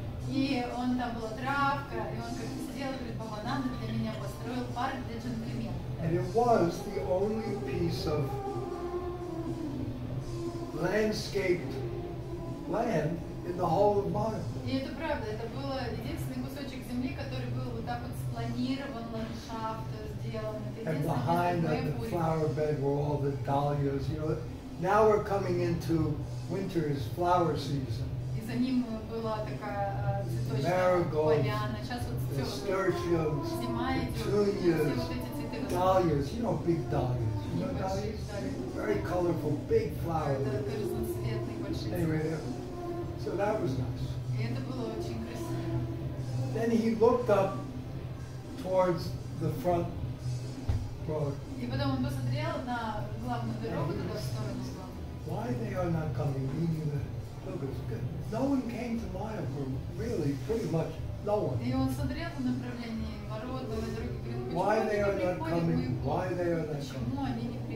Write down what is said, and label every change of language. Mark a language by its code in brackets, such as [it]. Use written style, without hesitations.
[ru] И он там была травка, и он как-то сидел и говорит, Бхавананда для меня построил парк для джентльменов. [en] And it was the only piece of landscaped land in the whole of Maharashtra. [ru] И это правда, это был единственный кусочек земли, который был вот так вот спланирован, ландшафт сделан. [en] And behind the flower bed were all the dahlias. You know, now we're coming into winter's flower season. [ru] За ним была такая цветочная поляна. Сейчас вот все зима идет. Все вот эти цветы. [en] Dahlias, you know, big dahlias. You know dahlias? Very colorful, big flowers. [ru] Это разноцветные большие. [en] Anyway, so that was nice. [ru] И это было очень красиво. [en] Then he looked up towards the front road. [ru] И потом он посмотрел на главную дорогу туда в сторону. [en] Why they are not coming? Meaning that pilgrims are good. No one came to Mayapur, really, pretty much, no one. Why they are not coming? Why they are not coming?